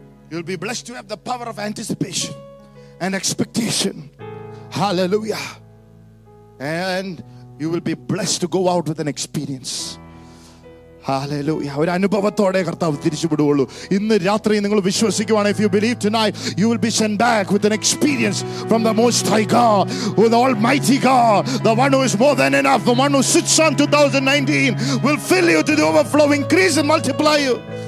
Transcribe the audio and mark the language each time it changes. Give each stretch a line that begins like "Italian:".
English: You'll be blessed to have the power of anticipation and expectation. Hallelujah. And you will be blessed to go out with an experience. Hallelujah.
Malayalam: ഒരു അനുഭവത്തോടെ കർത്താവ് തിരിച്ചു വിടുവുള്ളൂ. ഇന്ന് രാത്രി നിങ്ങൾ വിശ്വസിക്കുവാണ്.
English: If you believe tonight, you will be sent back with an experience from the Most High God, with Almighty God, the one who is more than enough, the one who sits on 2019 will fill you to the overflow, increase and multiply you.